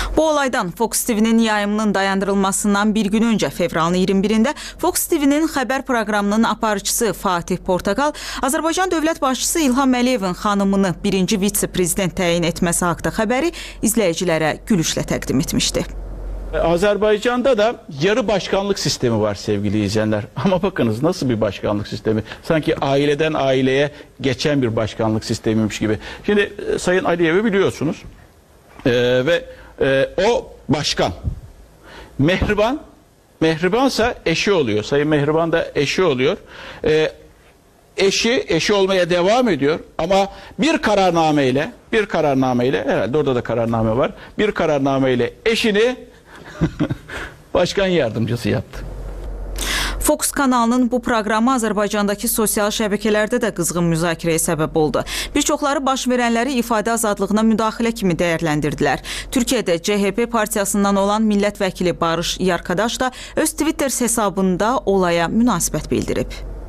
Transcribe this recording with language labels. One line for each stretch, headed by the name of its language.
Azerbaijani: Bu olaydan Fox TV-nin yayımının dayandırılmasından bir gün öncə, fevralın 21-də Fox TV-nin xəbər proqramının aparıcısı Fatih Portakal Azərbaycan dövlət başçısı İlham Əliyevin xanımını birinci vitse-prezident təyin etməsi haqda xəbəri izləyicilərə gülüşlə təqdim etmişdi.
Turkish: Azərbaycanda da yarı başkanlık sistemi var sevgili izleyenler. Ama bakınız nasıl bir başkanlık sistemi? Sanki aileden aileye geçen bir başkanlık sistemiymiş gibi. Şimdi Sayın Aliyev'i biliyorsunuz ve o başkan Mehriban, Mehribansa eşi oluyor. Sayın Mehriban da eşi oluyor. Eşi olmaya devam ediyor ama bir kararnameyle herhalde orada da kararname var. Bir kararnameyle eşini başkan yardımcısı yaptı.
Azerbaijani: Fox kanalının bu proqramı Azərbaycandakı sosial şəbəkələrdə də qızğın müzakirəyə səbəb oldu. Bir çoxları baş verənləri ifadə azadlığına müdaxilə kimi dəyərləndirdilər. Türkiyədə CHP partiyasından olan millət vəkili Barış Yarkadaş da öz Twitter hesabında olaya münasibət bildirib.